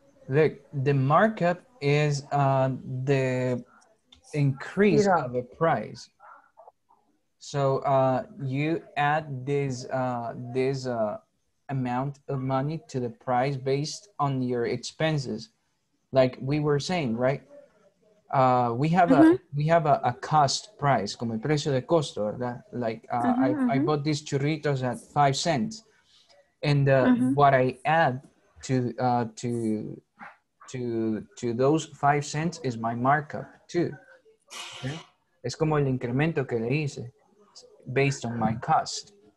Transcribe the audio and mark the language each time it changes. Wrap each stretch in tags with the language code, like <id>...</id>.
<en>Look, the markup is the increase of a price. So you add this amount of money to the price based on your expenses. Like we were saying, right? We have a cost price,</en> <es>como el precio de costo, ¿verdad?</es> <en>Like I bought these churritos at 5 cents, and what I add to those 5 cents is my markup too. Okay?</en> <es>Es como el incremento que le hice,</es> <en>based on my cost.</en>